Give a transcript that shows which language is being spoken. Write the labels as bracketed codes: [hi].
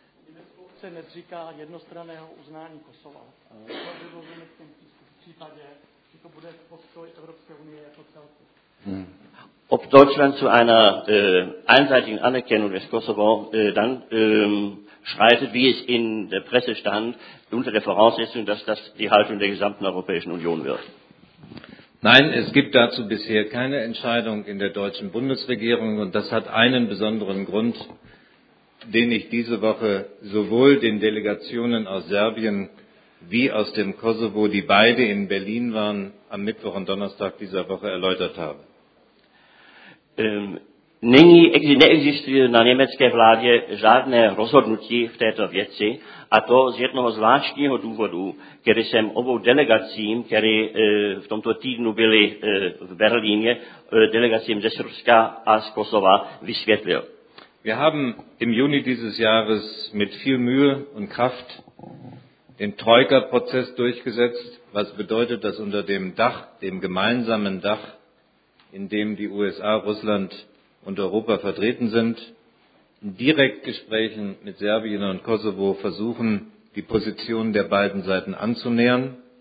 [cs] Německo se neříká jednostranného uznání Kosova. To by bylo v německém případě, že to bude postoj Evropské unie jako celku. [de] Ob Deutschland zu einer einseitigen Anerkennung des Kosovo dann schreitet, wie es in der Presse stand, unter der Voraussetzung, dass das die Haltung der gesamten Europäischen Union wird. Nein, es gibt dazu bisher keine Entscheidung in der deutschen Bundesregierung und das hat einen besonderen Grund, den ich diese Woche sowohl den Delegationen aus Serbien wie aus dem Kosovo, die beide in Berlin waren, am Mittwoch und Donnerstag dieser Woche erläutert habe. [cs] Nyní neexistuje na německé vládě žádné rozhodnutí v této věci a to z jednoho zvláštního důvodu, který jsem obou delegacím, které v tomto týdnu byly v Berlíně, delegacím ze Srbska a z Kosova vysvětlil. [de] Wir haben im Juni dieses Jahres mit viel Mühe und Kraft den Troika-Prozess durchgesetzt, was bedeutet, dass unter dem Dach, dem gemeinsamen Dach, in dem die USA, Russland und Europa vertreten sind, in Direktgesprächen mit Serbien und Kosovo versuchen, die Positionen der beiden Seiten anzunähern.